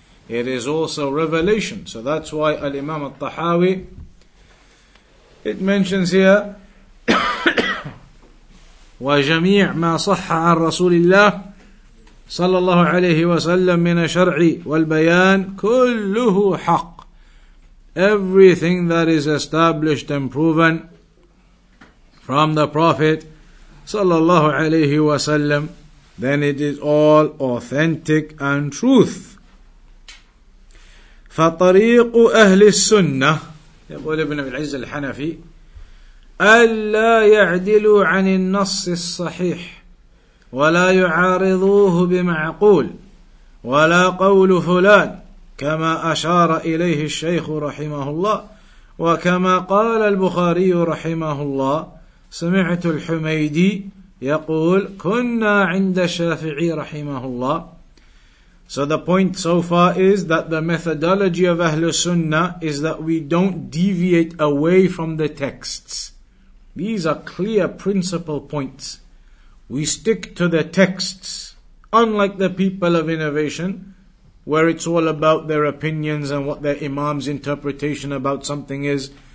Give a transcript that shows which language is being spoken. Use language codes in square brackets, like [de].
[en] It is also revelation. So that's why Al-Imam Al-Tahawi, it mentions here, [ar] وَجَمِيعْ مَا صَحَّ عَنْ رَسُولِ اللَّهِ صَلَى اللَّهُ عَلَيْهِ وَسَلَّمْ مِنَ الشَّرْعِ وَالْبَيَانِ كُلُّهُ حَقٍّ. [en] Everything that is established and proven from the Prophet [ar] صلى الله عليه وسلم, [en] then it is all authentic and truth. [ar] فطريق أهل السنة, يقول ابن العز الحنفي, ألا يعدلوا عن النص الصحيح ولا يعارضوه بمعقول ولا قول فلان كما أشار إليه الشيخ رحمه الله وكما قال البخاري رحمه الله. سمعت الحميدي يقول كنا عند الشافعي رحمه الله. [en] So the point so far is that the methodology of Ahlul Sunnah is that we don't deviate away from the texts. These are clear principal points. We stick to the texts, unlike the people of innovation, where it's all about their opinions and what their imam's interpretation about something is.